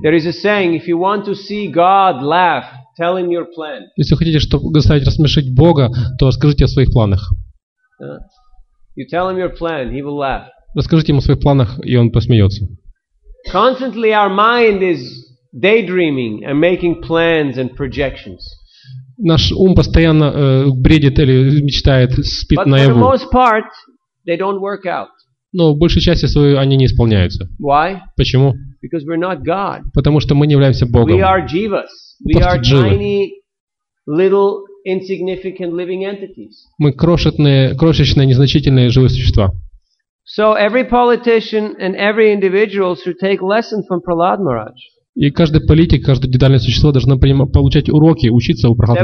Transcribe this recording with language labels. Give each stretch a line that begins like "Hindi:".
English: There is a saying, if you want to see God laugh, tell him your plan.
Russian: Если хотите, чтобы заставить рассмешить Бога, то расскажите о своих планах.
English: You tell him your plan, he will laugh.
Russian: Расскажите ему о своих планах, и он посмеется.
English: Constantly our mind is daydreaming and making plans and projections.
Russian: Наш ум постоянно бредит или мечтает, спит наяву.
English: But for the most part, they don't work out.
Russian: Но в большей части своей они не исполняются.
English: Why?
Russian: Почему?
English: Because we're not God.
Russian: Потому что мы не являемся Богом.
English: We are jivas. We are tiny, little, insignificant living entities.
Russian: Мы крошечные, незначительные живые существа.
English: So every politician and every individual should take lesson from Prahlad Maharaj.
Russian: И каждый политик, каждое детальное существо должно получать уроки, учиться у Прахлад